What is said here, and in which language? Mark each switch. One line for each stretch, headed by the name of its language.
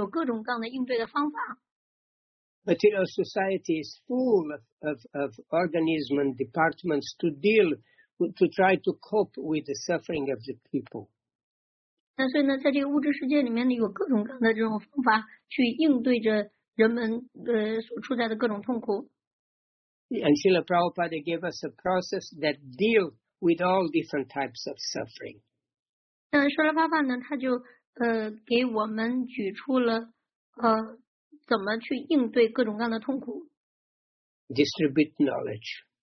Chinese: 那我们有对儿童的照顾，去为儿童提供教育。那所以呢，我们就对于这个大家的痛苦呢，有各种各样的应对的方法。
English: Material society is full of organisms and departments to try to cope with the suffering of the people.
Chinese: 那所以呢，在这个物质世界里面呢，有各种各样的这种方法去应对着人们所处在的各种痛苦。
English: And Srila Prabhupada gave us a process that deal with all different types of suffering. Distribute knowledge.